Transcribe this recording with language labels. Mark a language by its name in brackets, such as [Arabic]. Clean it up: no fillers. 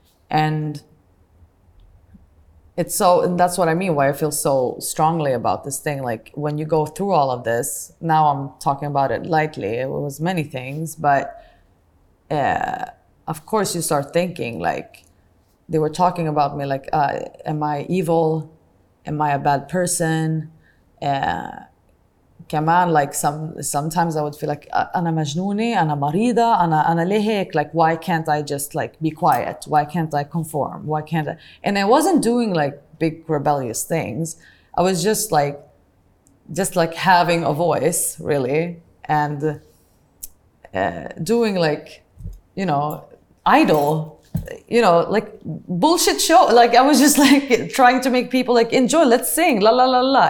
[English] And it's so, and that's what I mean, why I feel so strongly about this thing. Like when you go through all of this, now I'm talking about it lightly, it was many things, but of course you start thinking like, they were talking about me like, am I evil? Am I a bad person? [Arabic] كمان [English] like sometimes I would feel like [Arabic] أنا مجنونة, أنا مريضة, أنا ليه هيك? [English] Like why can't I just like be quiet? Why can't I conform? Why can't I? And I wasn't doing like big rebellious things. I was just like having a voice really and doing like, you know, idol. You know, like bullshit show. Like I was just like trying to make people like enjoy, let's sing, la la la la.